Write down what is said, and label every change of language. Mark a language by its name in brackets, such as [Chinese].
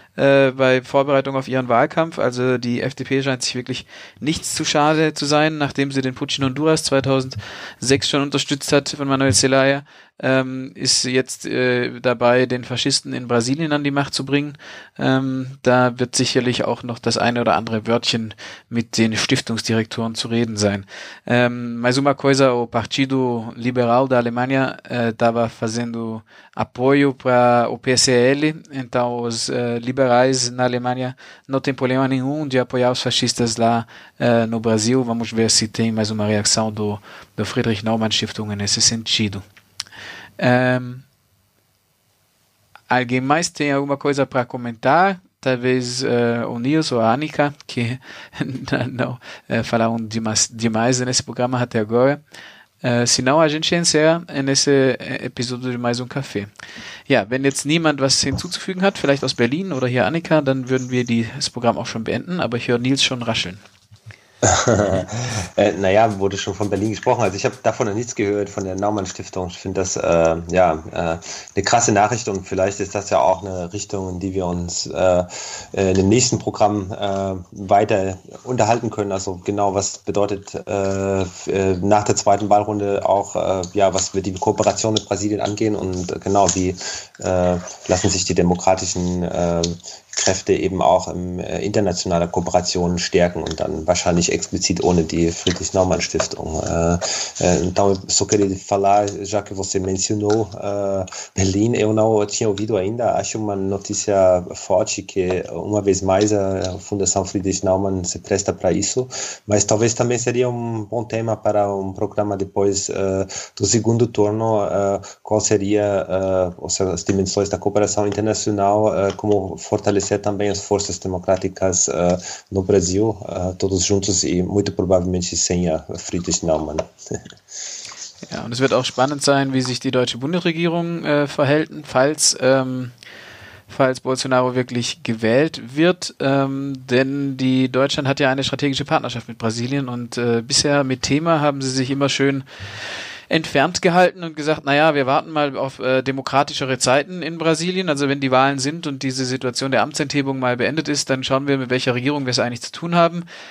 [German] bei Vorbereitung auf ihren Wahlkampf. Also die FDP scheint sich wirklich nichts zu schade zu sein, nachdem sie den Putsch in Honduras 2006 schon unterstützt hat von Manuel Zelaya, ist jetzt dabei, den Faschisten in Brasilien an die Macht zu bringen. Da wird sicherlich auch noch das eine oder andere Wörtchen mit den Stiftungsdirektoren zu reden sein. [Portuguese] Maizuma Coisa, o Partido Liberal da Alemanha, estava fazendo apoio para o PSL, então os liberais na Alemanha não tem problema nenhum de apoiar os fascistas lá no Brasil. Vamos ver se tem mais uma reação do Friedrich Naumann Stiftung nesse sentido. Alguém mais tem alguma coisa para comentar? Talvez o Nils ou a Annika, que não falaram demais nesse programa até agora. Senão a gente encerra nesse Episode de mais Café. [German] Ja, wenn jetzt niemand was hinzuzufügen hat, vielleicht aus Berlin oder hier Annika, dann würden wir das Programm auch schon beenden, aber ich höre Nils schon rascheln. Naja, wurde schon von Berlin gesprochen. Also ich habe davon noch nichts gehört, von der Naumann-Stiftung. Ich finde das eine krasse Nachricht und vielleicht ist das ja auch eine Richtung, in die wir uns in dem nächsten Programm weiter unterhalten können. Also genau, was bedeutet nach der zweiten Wahlrunde auch, was wird die Kooperation mit Brasilien angehen und genau, wie lassen sich die demokratischen Kräfte eben auch im internationaler Kooperation stärken und dann wahrscheinlich explizit ohne die Friedrich-Naumann-Stiftung. [Portuguese] Então, só queria falar, já que você mencionou Berlin, eu não tinha ouvido ainda, acho uma notícia forte que uma vez mais a Fundação Friedrich-Naumann se presta para isso, mas talvez também seria um bom tema para um programa depois do segundo turno, qual seria as dimensões da cooperação internacional, como fortalecer também as forças democráticas no Brasil, todos juntos e muito provavelmente sem a Friedrich Naumann. [German] Ja, und es wird auch spannend sein, wie sich die deutsche Bundesregierung verhält, falls Bolsonaro wirklich gewählt wird, denn die Deutschland hat ja eine strategische Partnerschaft mit Brasilien und bisher mit Thema haben sie sich immer schön entfernt gehalten und gesagt, naja, wir warten mal auf demokratischere Zeiten in Brasilien, also wenn die Wahlen sind und diese Situation der Amtsenthebung mal beendet ist, dann schauen wir, mit welcher Regierung wir es eigentlich zu tun haben.